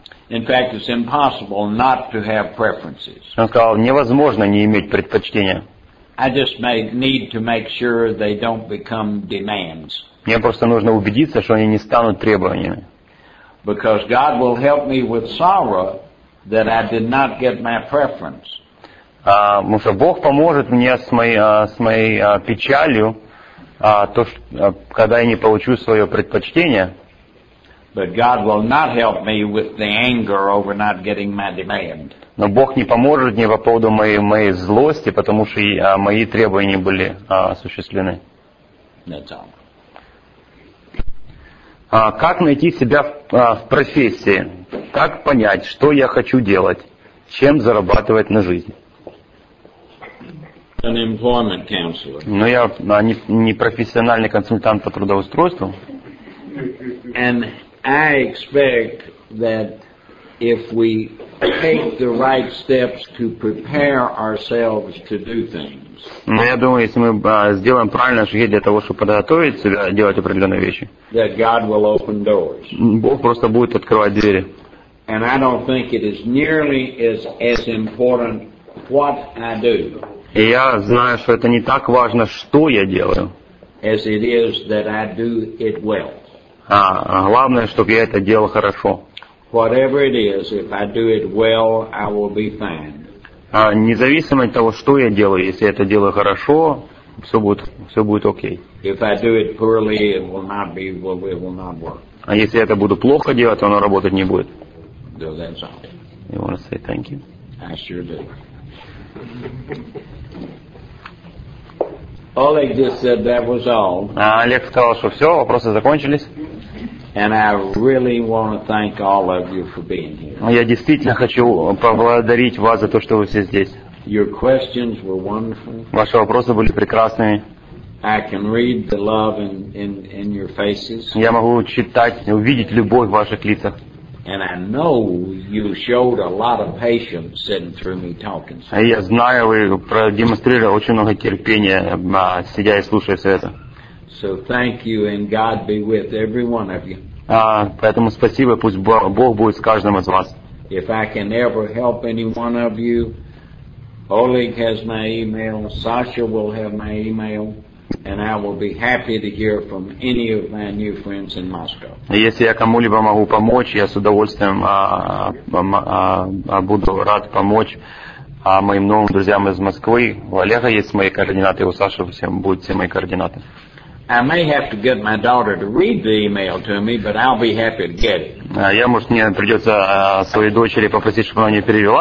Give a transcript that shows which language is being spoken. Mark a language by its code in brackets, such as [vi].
[en] In fact, it's impossible not to have preferences. [ru] Он сказал, невозможно не иметь предпочтения. [en] I just need to make sure they don't become demands. [ru] Мне просто нужно убедиться, что они не станут требованиями. [en] Because God will help me with sorrow that I did not get my preference. [ru] Потому что Бог поможет мне с моей печалью, когда я не получу свое предпочтение. [en] But God will not help me with the anger over not getting my demand. [ru] Но Бог не поможет мне по поводу моей злости, потому что мои требования были осуществлены. [en] That's all. [ru] Как найти себя в профессии? Как понять, что я хочу делать? Чем зарабатывать на жизнь? [en] An employment counselor. [ru] Но я не профессиональный консультант по трудоустройству. [en] And I expect that if we take the right steps to prepare ourselves to do things. [ru] Но я думаю, если мы сделаем правильные шаги для того, чтобы подготовить себя, делать определенные вещи. [en] That God will open doors. [ru] Бог просто будет открывать двери. [en] And I don't think it is nearly as important what I do. [ru] И я знаю, что это не так важно, что я делаю. [en] As it is that I do it well. [ru] А главное, чтобы я это делал хорошо. [en] Whatever it is, if I do it well, I will be fine. [ru] А независимо от того, что я делаю, если я это делаю хорошо, все будет окей. [en] If I do it poorly, it will not be, well, it will not work. [ru] А если я это буду плохо делать, то оно работать не будет. [en] Do that song. You want to say thank you? I sure do. Oleg just said that was all. [ru] Олег сказал, что все, вопросы закончились. [en] And I really want to thank all of you for being here. [ru] Я действительно хочу поблагодарить вас за то, что вы все здесь. [en] Your questions were wonderful. [ru] Ваши вопросы были прекрасными. [en] I can read the love in your faces. [ru] Я могу читать, увидеть любовь в ваших лицах. [en] And I know you showed a lot of patience sitting through me talking. [ru] Я знаю, вы продемонстрировали очень много терпения, сидя и слушая все это. [en] So thank you, and God be with every one of you. [ru] Поэтому спасибо, пусть Бог будет с каждым из вас. [en] If I can ever help any one of you, Oleg has my email, Sasha will have my email. And I will be happy to hear from any of my new friends in Moscow. [ru] Если я кому-либо могу помочь, я с удовольствием буду рад помочь моим новым друзьям из Москвы. У Олега есть мои координаты, у Саши всем будут все мои координаты. [en] I may have to get my daughter to read the email to me, but I'll be happy to get it. [ru] Я, может, мне придется своей дочери попросить, чтобы она не перевела, что там в этом имейле написано, но с удовольствием.